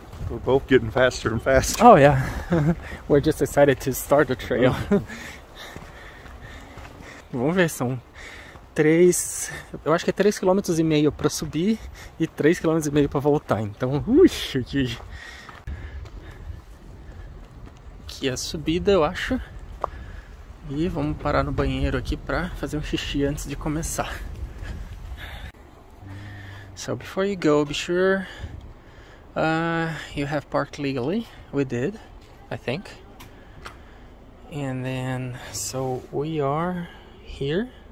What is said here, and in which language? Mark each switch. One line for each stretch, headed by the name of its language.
English: We're both getting faster and faster. Oh yeah. We're just excited to start the trail.
Portuguese: Vamos ver, são 3. Eu acho que é 3,5 km para subir e 3,5 km para voltar. Então, uxa, que. Aqui é a subida, eu acho. E vamos parar no banheiro aqui para fazer um xixi antes de começar.
English: So before you go, be sure you have parked legally. We did, I think. And then, so we are here.